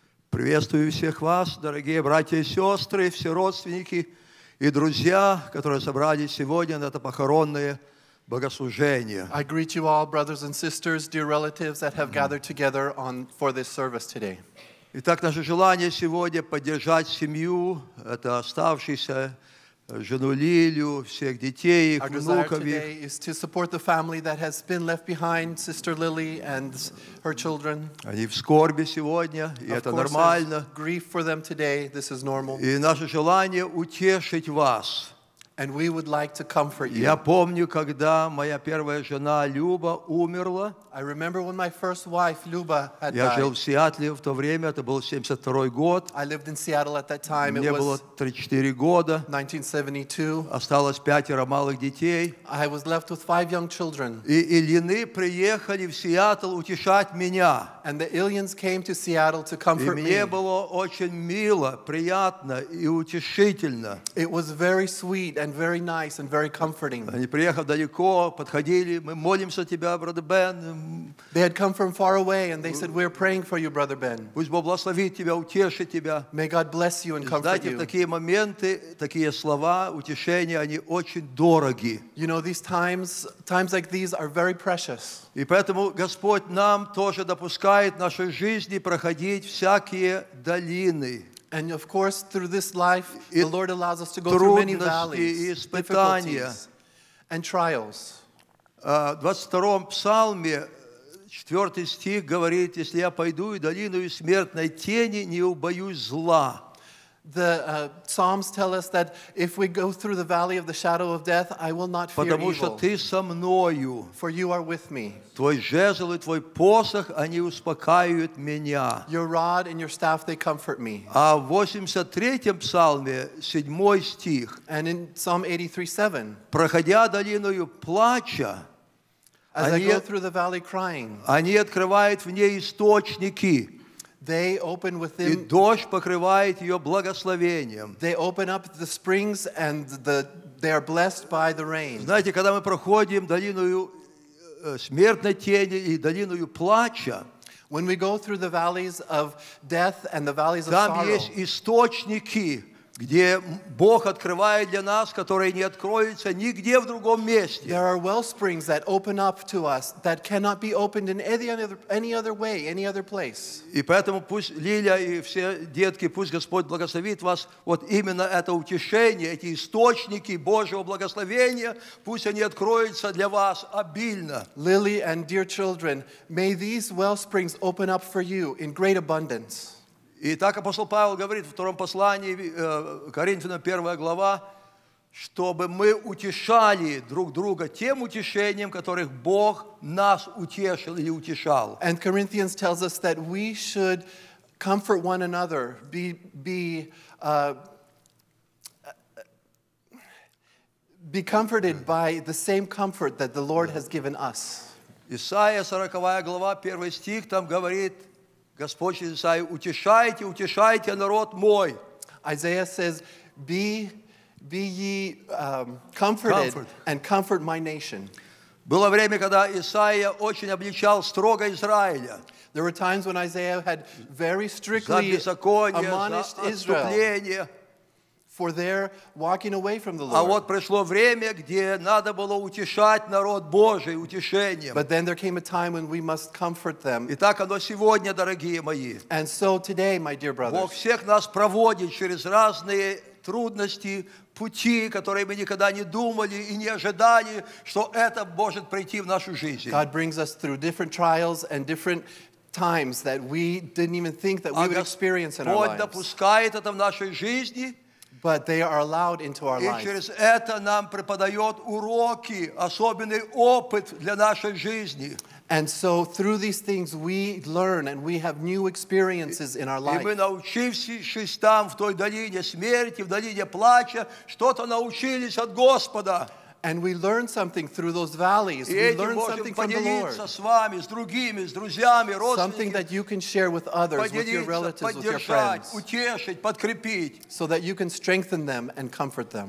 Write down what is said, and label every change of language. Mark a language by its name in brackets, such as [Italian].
[Russian] Приветствую всех вас, дорогие братья и сестры, все родственники и друзья, которые собрались сегодня на это похоронное богослужение. [English] I greet you all, brothers and sisters, dear relatives that have gathered together on for this service today. [Russian] Итак, наше желание сегодня поддержать семью, это оставшиеся жену Лилю, всех детей, их внуков. [English] Our desire today is to support the family that has been left behind, Sister Lily and her children. [Russian] Они в скорби сегодня, и это нормально. [English] Of course, grief for them today. This is normal. [Russian] И наше желание утешить вас. [English] And we would like to comfort you. [Russian] Я помню, когда моя первая жена Люба умерла. [English] I remember when my first wife Люба had died. [Russian] Я жил в Сиэтле в то время, это был 72-й год. [English] I lived in Seattle at that time. [Russian] Мне было 34 года. [English] 1972. [Russian] Осталось пятеро малых детей. [English] I was left with five young children. [Russian] И Ильины приехали в Сиэтл утешать меня. [English] And the Ilyins came to Seattle to comfort me. [Russian] И мне было очень мило, приятно и утешительно. [English] It was very sweet and very nice and very comforting. [Russian] Они приехали далеко, подходили, мы молимся тебя, брат Бен. [English] They had come from far away and they said, we're praying for you, brother Ben. [Russian] Пусть Бог благословит тебя, утешит тебя. [English] May God bless you and comfort you. [Russian] Знаете, такие моменты, такие слова, утешения, они очень дороги. [English] You know, these times like these are very precious. [Russian] И поэтому Господь нам тоже допускает в нашей жизни проходить всякие долины. [English] And of course, through this life, the Lord allows us to go through many valleys, difficulties, and trials. [Russian] В 22-м псалме 4-й стих говорит, если я пойду и долину и смертной тени, не убоюсь зла. [English] The Psalms tell us that if we go through the valley of the shadow of death, I will not fear [Russian] Потому [English] evil. [Russian] Потому что ты со мною. [English] For you are with me. [Russian] Твой жезл и твой посох, они успокаивают меня. [English] Your rod and your staff, they comfort me. [Russian] А в 83-м псалме, 7-й стих. [English] And in Psalm 83:7. [Russian] Проходя долиною плача, [English] As I go through the valley crying. [Russian] Они открывают в ней источники. [English] They open within. [Russian] И дождь покрывает ее благословением. [English] They open up the springs and they are blessed by the rain. [Russian] Знаете, когда мы проходим долину смертной тени и долину плача, [English] when we go through the valleys of death and the valleys of sorrow, [Russian] там есть источники, где Бог открывает для нас, которые не откроются нигде в другом месте. [English] There are well springs that open up to us that cannot be opened in any other way, any other place. [Russian] И поэтому пусть Лиля и все детки, пусть Господь благословит вас вот именно это утешение, эти источники Божьего благословения, пусть они откроются для вас обильно. [English] Lily and dear children, may these well springs open up for you in great abundance. [Russian] И так апостол Павел говорит в втором послании Коринфянам 1 глава, чтобы мы утешали друг друга тем утешением, которых Бог нас утешил или утешал. [English] And Corinthians tells us that we should comfort one another, be comforted by the same comfort that the Lord has given us. [Russian] Исаия 40 глава, 1 стих, там говорит, Господь через Исаию, утешайте, утешайте народ мой. [English] Isaiah says, be ye comforted and comfort my nation. [Russian] Было время, когда Исаия очень обличал строго Израиля. [English] There were times when Isaiah had very strictly admonished Israel for their walking away from the Lord. [Russian] А вот пришло время, где надо было утешать народ Божий утешением. [English] But then there came a time when we must comfort them. [Russian] Итак, оно сегодня, дорогие мои. [English] And so today, my dear brothers. [Russian] Бог всех нас проводит через разные трудности, пути, которые мы никогда не думали и не ожидали, что это может прийти в нашу жизнь. [English] God brings us through different trials and different times that we didn't even think that we would experience in our lives. [Russian] Бог допускает это в нашей жизни. [English] But they are allowed into our lives. [Russian] И через это нам преподает уроки, особенный опыт для нашей жизни. [English] And so through these things we learn and we have new experiences in our life. [Russian] И мы научившись там в той долине смерти, в долине плача, что-то научились от Господа. [English] And we learn something through those valleys. We learn something from the Lord. [Russian] С вами, с другими, с друзьями, [English] something that you can share with others, with your relatives, with your friends. [Russian] Утешить, подкрепить. [English] So that you can strengthen them and comfort them.